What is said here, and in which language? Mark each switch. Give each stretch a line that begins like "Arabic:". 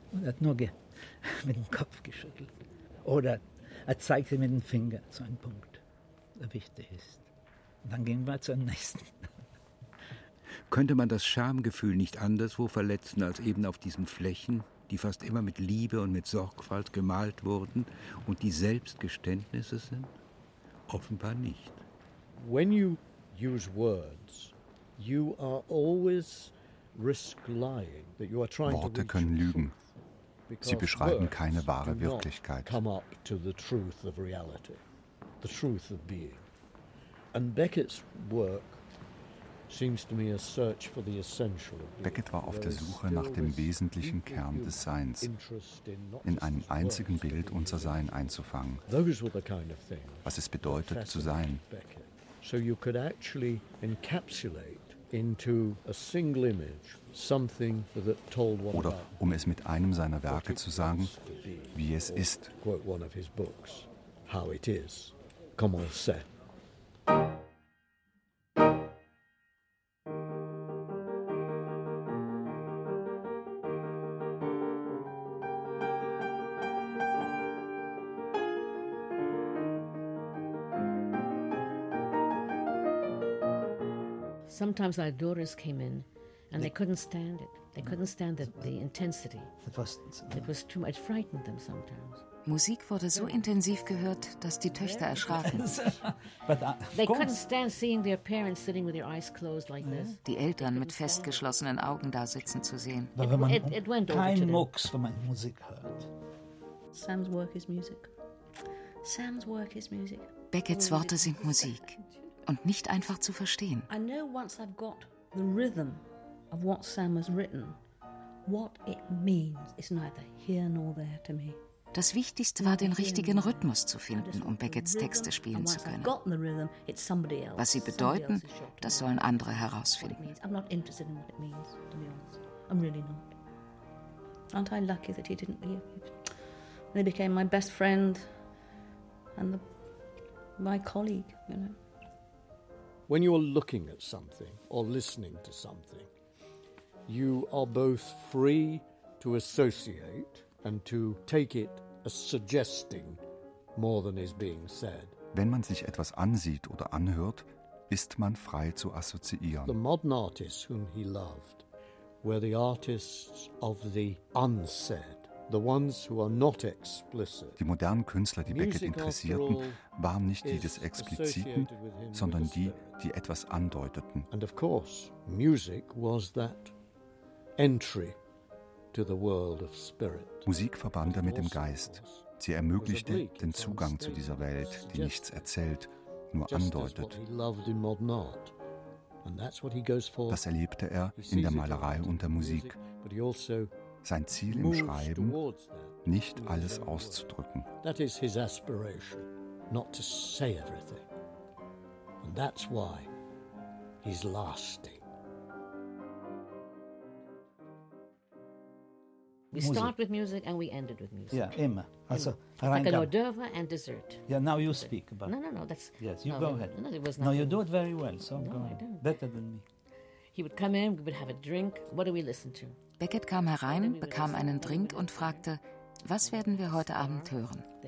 German: Und er hat nur mit dem Kopf geschüttelt. Oder er zeigte mit dem Finger zu einem Punkt, der wichtig ist. Dann gehen wir zum nächsten. Könnte man das Schamgefühl nicht anderswo verletzen als eben auf diesen Flächen, die fast immer mit Liebe und mit Sorgfalt gemalt wurden und die Selbstgeständnisse sind? Offenbar nicht.
English: When you use words, you are always risk lying. That you are trying
German: to. Worte können lügen. Sie beschreiben keine wahre Wirklichkeit.
English: Come up to the truth of reality, the truth of being. And Beckett's work seems to me a search for the essential.
German: Beckett war auf der Suche nach dem wesentlichen Kern des Seins, in einem einzigen Bild unser Sein einzufangen.
English: Those were the kind of things.
German: Was es bedeutet zu sein.
English: So you could actually encapsulate into a single image something that told what.
German: Oder um es mit einem seiner Werke zu sagen, wie es ist.
English: Quote one of his books, how it is.
French: comme on sait.
English: Sometimes our daughters came in and they couldn't stand it. They couldn't stand the intensity. It was too much, frightened them sometimes.
German: Musik wurde so intensiv gehört, dass die Töchter erschraken.
English: They couldn't stand seeing their parents sitting with their eyes closed like this.
German: Die Eltern mit festgeschlossenen Augen da sitzen zu sehen.
English: It went over to them.
German: Kein Mucks, wenn man Musik hört.
English: Sam's work is music. Sam's work is music.
German: Beckets Worte sind Musik. Und nicht einfach zu verstehen.
English: I know once I've got the rhythm of what Sam has written, what it means is neither here nor there to me.
German: Das Wichtigste war, den richtigen Rhythmus zu finden, um Beckets Texte spielen zu können. Was sie bedeuten, das sollen andere herausfinden.
English: I'm not interested in what it means, to be honest. I'm really not. Aren't I lucky that he didn't leave? He became my best friend and my colleague, you know. When you're looking at something or listening to something, you are both free to associate and to take it as suggesting more than is being said.
German: Wenn man sich etwas ansieht oder anhört, ist man frei zu assoziieren.
English: The modern artists whom he loved were the artists of the unsaid. The ones who are not explicit.
German: Die modernen Künstler, die Beckett interessierten, waren nicht die des Expliziten, sondern die, die etwas andeuteten.
English: And of course, music was that entry to the world of spirit.
German: Musik verband er mit dem Geist. Sie ermöglichte den Zugang zu dieser Welt, die nichts erzählt, nur andeutet. Das erlebte er in der Malerei und der Musik. Sein Ziel im Schreiben, nicht alles auszudrücken.
English: That is his aspiration, not to say everything. And that's why he's lasting. We start with music and we ended with music. Yeah, immer. Also, it's like an hors d'oeuvre and dessert. Yeah, now you speak about it. No, that's... Yes, you go ahead. No, it was not. No, you do it very well, so no, go I don't. Better than me. He would come in, we would have a drink. What do we listen to?
German: Beckett kam herein, bekam einen Drink und fragte, was werden wir heute Abend hören?